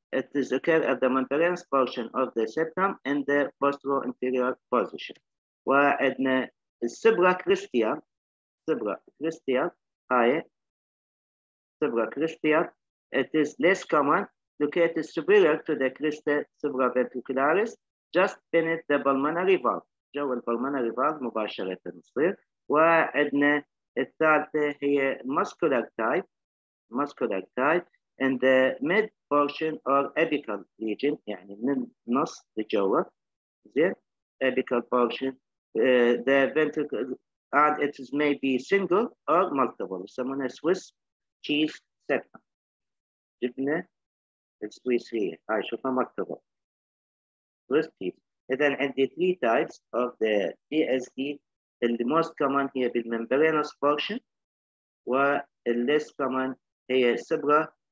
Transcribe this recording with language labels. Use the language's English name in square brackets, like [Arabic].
[English] It is occur at the membranous portion of the septum in the postero anterior position. [Arabic] وعندنا [English] subcrestial, subcrestial, هاي subcrestial. It is less common, located superior to the crista supraventricularis, just beneath the pulmonary valve. [Arabic] جو البلمونري فالف مباشرة تصير. وعندنا الثالثة هي [English] muscular type, muscular type. In the mid portion or apical region, [Arabic] يعني من النص لجوه, [English] the apical portion, the ventricle, and it is maybe single or multiple. [Arabic] يسمونها Swiss cheese septum. جبنا السويس هي, هاي شوفها مكتوبة. [English] Swiss cheese. [Arabic] إذا عندي [English] three types of the PSD, and the most common here is membranous portion, and less common here is supra.